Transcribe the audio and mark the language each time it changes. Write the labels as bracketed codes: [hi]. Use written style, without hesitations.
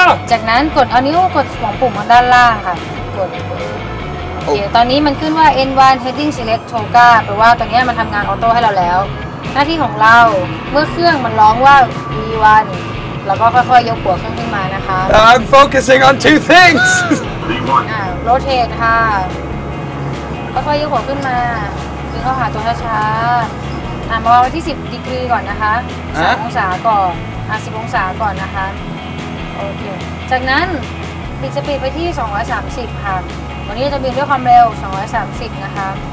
[th] จากนั้นกดเอานิ้วกดสองปุ่มด้านล่างค่ะกดโอเคตอนนี้มันขึ้นว่า N1 Heading Select Toga แปลว่าตอนนี้มันทำงานออโต้ให้เราแล้วหน้าที่ของเราเมื่อเครื่องมันร้องว่า V1 แล้วก็ค่อยๆยกหัวเครื่องขึ้นมานะคะ [en] I'm focusing on two things [th] Rotate ค่ะค่อยๆยกหัวขึ้นมาคือเข้าหาตัวช้าๆมาวางที่10ดีกรีก่อนนะคะ3องศาก่อน10องศาก่อนนะคะโอเคจากนั้นปิดสปีดไปที่230ค่ะวันนี้จะบินด้วยความเร็ว230นะคะ